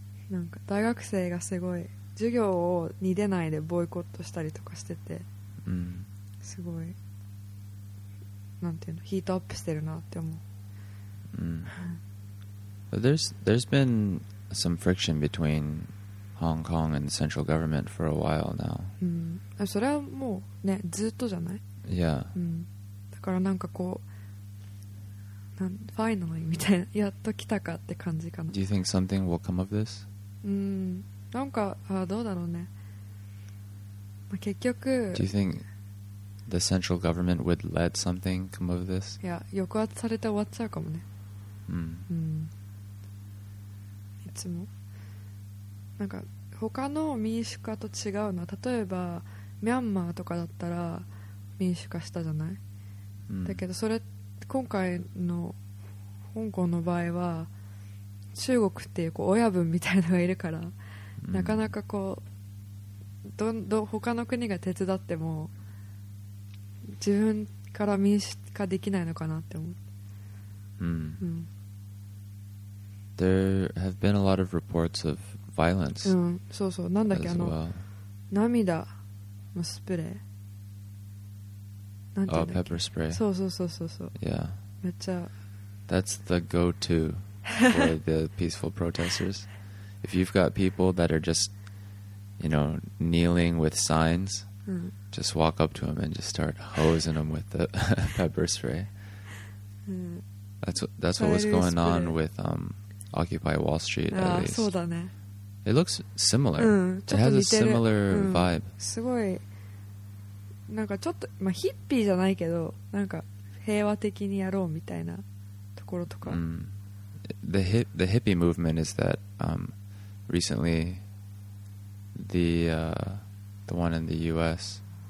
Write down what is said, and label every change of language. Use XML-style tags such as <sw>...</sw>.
<ja>なんか大学生がすごい、授業に出ないでボイコットしたりとかしてて、すごい、なんていうの、ヒートアップしてるなって思う。</ja> <en>But there's been some friction between... Hong Kong and the central government for a while now.</en> <ja>それはもうね、ずっとじゃない?</ja> <en>Yeah.</en> <ja>だからなんかこう、finally みたいな、やっと来たかって感じかな。</ja> <en>Do you think something will come of this?</en> <ja>なんか、どうだろうね。まあ、結局、</ja> <en>Do you think the central government would let something come of this?</en> <ja>いや、抑圧されて終わっちゃうかもね。いつも。なんか他の民主化と違うのは、例えばミャンマーとかだったら民主化したじゃない、だけどそれ今回の香港の場合は中国っていう、こう親分みたいなのがいるから、なかなかこうど他の国が手伝っても自分から民主化できないのかなって思う。</ja> <en>There have been a lot of reports of violence.</en> <ja>そうそう、なんだっけ、あの、涙のスプレー。なんていうんだっけ。</ja> <en>Oh, pepper spray.</en> <ja>そうそうそうそうそう。</ja> <en>Yeah.</en> <ja>めっちゃ。</ja> <en>That's the go-to for the peaceful protesters. If you've got people that are just, you know, kneeling with signs, just walk up to them and just start hosing them with the pepper spray. That's what was going on with Occupy Wall Street, at least.</en> <ja>そうだね。</ja> <en>It looks similar. It has a similar vibe.</en> <ja>すごい、なんかちょっと、まあ、ヒッピーじゃないけど、なんか平和的にやろうみたいなところとか。</ja> <en>The hippie movement is that recently the one in the U.S.</en>